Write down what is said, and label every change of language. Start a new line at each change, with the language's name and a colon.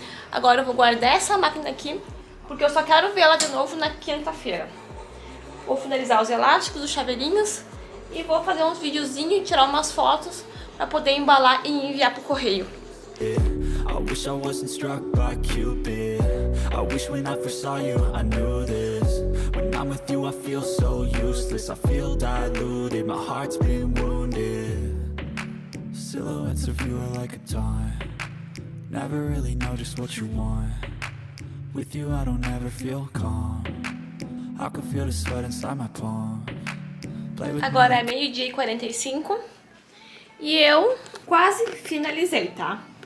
Portuguese: Agora eu vou guardar essa máquina aqui, porque eu só quero ver ela de novo na quinta-feira. Vou finalizar os elásticos, os chaveirinhos, e vou fazer uns videozinhos e tirar umas fotos pra poder embalar e enviar pro correio.
English: I wish I wasn't struck by Cupid. I wish when I first saw you I knew this. When I'm with you I feel so useless. I feel diluted, my heart's been wounded. Silhouettes of you are like a taunt. Never really know just what you want. With you I don't ever feel calm. I can feel the sweat inside my palm.
Portuguese: Agora é meio-dia e 45 e eu quase finalizei, tá?